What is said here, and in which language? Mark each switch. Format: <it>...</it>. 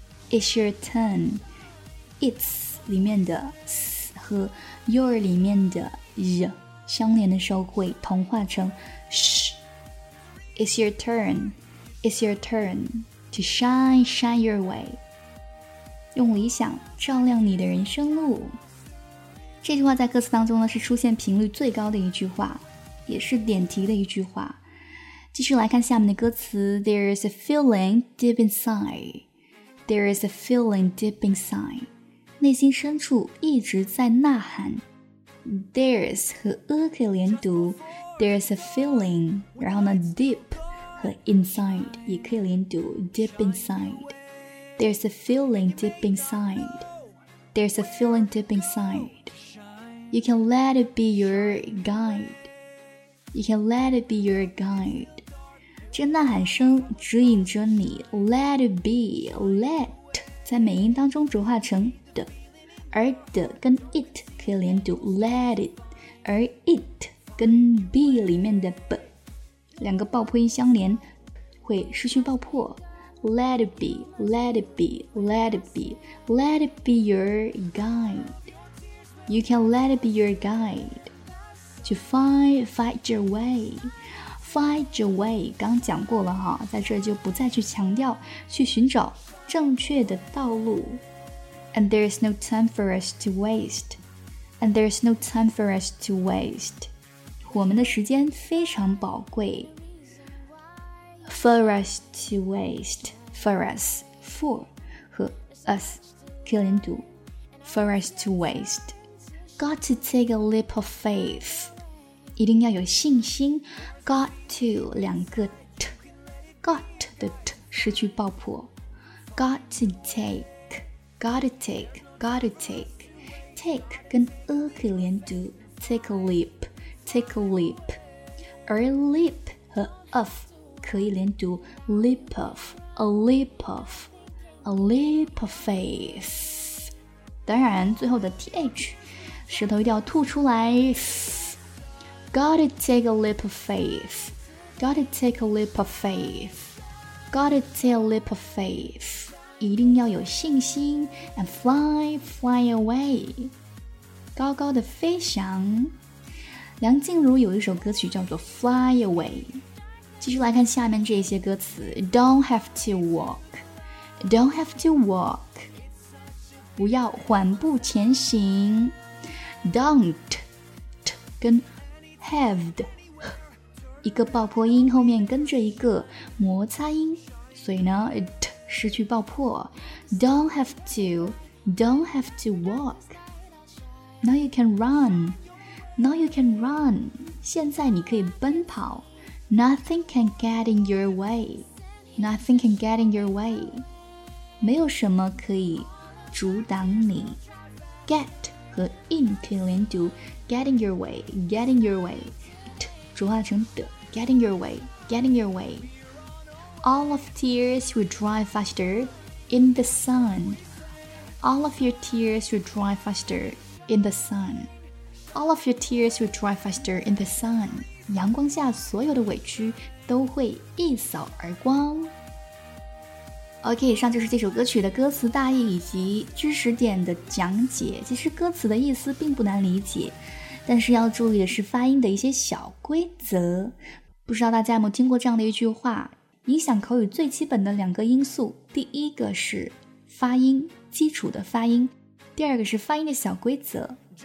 <en>It's your turn.</en> <zh>It's 里面的 s 和 your 里面的 y 相连的时候会同化成 sh.</zh> <en>It's your turn, it's your turn to shine, shine your way.</en> <zh>用理想照亮你的人生路。这句话在歌词当中呢是出现频率最高的一句话，也是点题的一句话。继续来看下面的歌词。</zh> <en>There is a feeling deep inside. There is a feeling deep inside.</en> <zh>内心深处一直在呐喊。 There's 和 可以连读。</zh> <en>There's a feeling,</en> <zh>然后呢 deep 和 inside 也可以连读 deep inside.</zh> <en>There's a feeling deep inside. There's a feeling deep inside. You can let it be your guide. You can let it be your guide.</en> <zh>这呐喊声指引着你 let it be, let 在美音当中浊化成的，而的跟 it 可以连读 let it, 而 it. 跟 B 里面的 B 两个爆破音相连会失去爆破。</zh> <en>Let it be, let it be, let it be, let it be your guide. You can let it be your guide to fight your way. Fight your way</en> <zh>刚讲过了哈，在这就不再去强调，去寻找正确的道路。</zh> <en>And there is no time for us to waste. And there is no time for us to waste.</en> <zh>我们的时间非常宝贵。</zh> <en>For us to waste. For us.</en> <zh>For 和 us 可以连读。</zh> <en>For us to waste. Got to take a leap of faith.</en> <zh>一定要有信心。Got to 两个 t.</zh> <en>Got</en> <zh>的 t 失去爆破。</zh> <en>Got to take. Got to take. Got to take. Take</en> <zh>跟 可以连读。</zh> <en>Take a leapTake a leap.</en> <zh>而 leap 和 of 可以连读</zh> <en>leap of, a leap of, a leap of faith.</en> <zh>当然最后的 th 舌头一定要吐出来。</zh> <en>Gotta take a leap of faith. Gotta take a leap of faith. Gotta take a leap of faith.</en> <zh>一定要有信心。</zh> <en>And fly, fly away.</en> <zh>高高的飞翔。梁静茹有一首歌曲叫做 Fly Away。继续来看下面这些歌词。</zh> <en>Don't have to walk. Don't have to walk.</en> <zh>不要缓步前行。 Don't t 跟 have 的一个爆破音后面跟着一个摩擦音，所以呢 t 失去爆破。</zh> <en>Don't have to. Don't have to walk. Now you can runNow you can run.</en> <zh>现在你可以奔跑。</zh> <en>Nothing can get in your way. Nothing can get in your way.</en> <zh>没有什么可以阻挡你。 Get 和 in 可以连读。</zh> <en>Get in your way. Get in your way. T</en> <zh>浊化成</zh> <en>d. Get in your way. Get in your way. All of tears will dry faster in the sun. All of your tears will dry faster in the sun. All of your tears will dry faster in the sun.</en> <zh>阳光下所有的委屈都会一扫而光。 OK， 以上就是这首歌曲的歌词大意以及知识点的讲解。其实歌词的意思并不难理解，但是要注意的是发音的一些小规则。不知道大家有没有听过这样的一句话，影响口语最基本的两个因素，第一个是发音，基础的发音，第二个是发音的小规则。</zh>